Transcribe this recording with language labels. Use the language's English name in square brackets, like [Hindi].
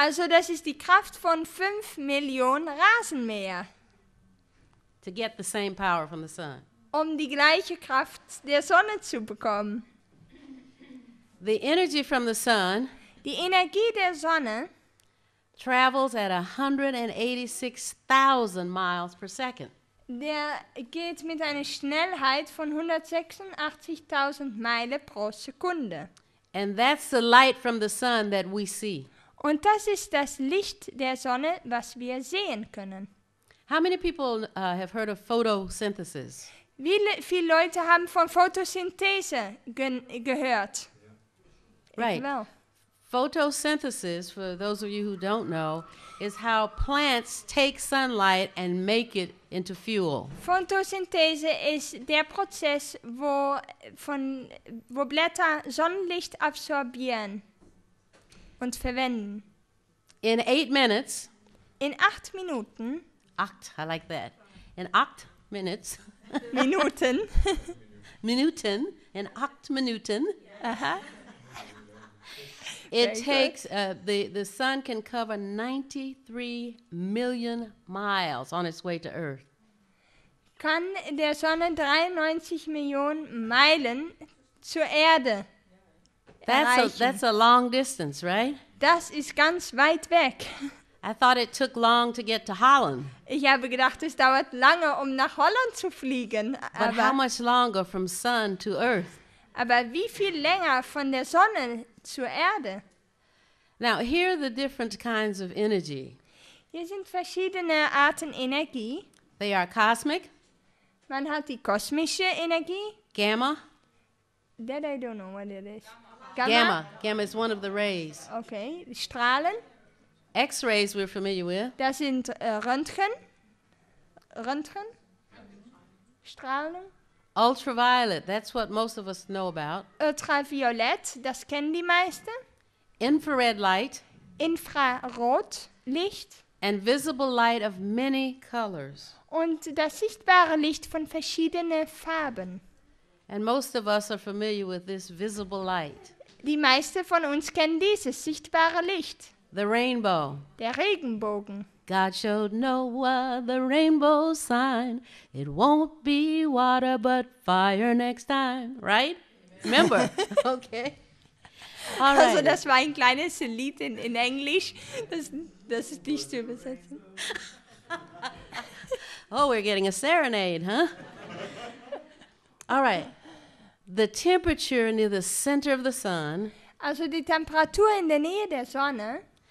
[German] Also das ist die Kraft von 5 Millionen Rasenmäher. [English] To get the same power from the sun. [German] Um die gleiche Kraft der Sonne zu bekommen. [English] The energy from the sun. [German] Die Energie der Sonne. [English] Travels at 186,000 miles per second. [German] Der geht mit einer Schnellheit von 186,000 Meilen pro Sekunde. [English] And that's the light from the sun that we see. [German] Und das ist das Licht der Sonne, was wir sehen können. [English] How many people have heard of photosynthesis? [German] Wie viele Leute haben von Photosynthese gehört? [English] Right. Well. Photosynthesis, for those of you who don't know, is how plants take sunlight and make it into fuel. [German] Photosynthese ist der Prozess, wo Blätter Sonnenlicht absorbieren und verwenden. [English] In 8 minutes. [German] In 8 Minuten. [English] Acht, I like that. In 8 minutes. [German] Minuten. Minuten. In 8 minuten. Uh-huh. [English] It takes, the sun can cover 93 million miles on its way to Earth. [German] Kann der Sonne 93 Millionen Meilen zur Erde erreichen? [English] That's a long distance, right? [German] Das ist ganz weit weg. [English] I thought it took long to get to Holland. [German] Ich habe gedacht, es dauert lange, um nach Holland zu fliegen. [English] But how much longer from sun to earth? [German] Aber wie viel länger von der Sonne zur Erde? [English] Now, here are the different kinds of energy. [German] Hier sind verschiedene Arten Energie. [English] They are cosmic. [German] Man hat die kosmische Energie. [English] Gamma. That I don't know what it is. Gamma. Gamma is one of the rays. [German] Okay, Strahlen. [English] X-rays we're familiar with. [German] Das sind Röntgen, Strahlen. [English] Ultraviolet, that's what most of us know about. [German] Ultraviolett, das kennen die meisten. [English] Infrared light. [German] Infrarotlicht. [English] And visible light of many colors. [German] Und das sichtbare Licht von verschiedenen Farben. [English] And most of us are familiar with this visible light. [German] Die meisten von uns kennen dieses sichtbare Licht. [English] The rainbow. [German] Der Regenbogen. [English] God showed Noah the rainbow sign. It won't be water but fire next time. Right? Amen. Remember? Okay. All right. [German] Also das war ein kleines Lied in Englisch. Das ist nicht zu übersetzen. [English] Oh, we're getting a serenade, huh? All right. The temperature near the center of the sun. [German] Also die Temperatur in der Nähe der Sonne.